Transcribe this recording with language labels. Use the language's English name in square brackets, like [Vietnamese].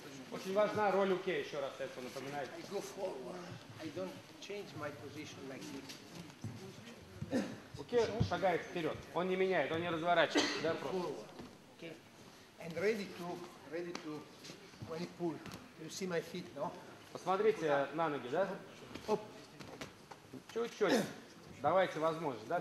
[Russian] Очень важна роль УК, еще раз это напоминает. [English] I go forward. I don't change my position like this. [Russian] УК шагает вперед. Он не меняет, он не разворачивается. Да, просто. [English] Okay. And ready to when you pull. You see my feet, no? [Russian] Посмотрите на ноги, да? Оп. Чуть-чуть. Давайте возможность, да?